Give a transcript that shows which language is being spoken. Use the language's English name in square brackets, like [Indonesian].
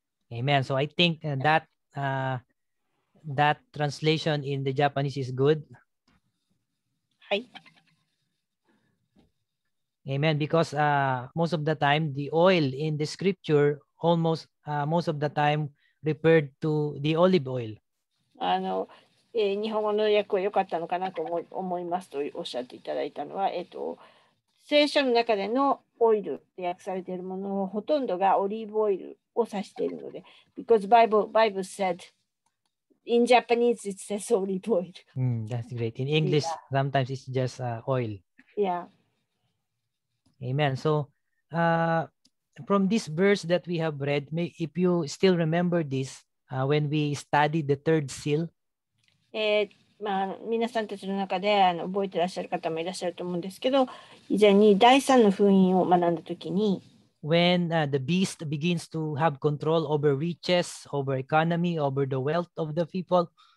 [English] Amen. So I think that... That translation in the Japanese is good. [Japanese] はい。 [English] Amen. Because most of the time, the oil in the scripture almost most of the time referred to the olive oil. [Japanese] 日本語の訳は良かったのかなと思いますとおっしゃっていただいたのは、聖書の中でのオイルで訳されているものをほとんどがオリーブオイルを指しているので、 [English] because Bible said. In Japanese, it says olive oil. That's great. In English, yeah. Sometimes it's just oil. Yeah. Amen. So, from this verse that we have read, if you still remember this, when we studied the third seal. [Japanese] まあ、皆さんたちの中で覚えてらっしゃる方もいらっしゃると思うんですけど、以前に第三の封印を学んだときに、 [English] When the beast begins to have control over riches, over economy, over the wealth of the people.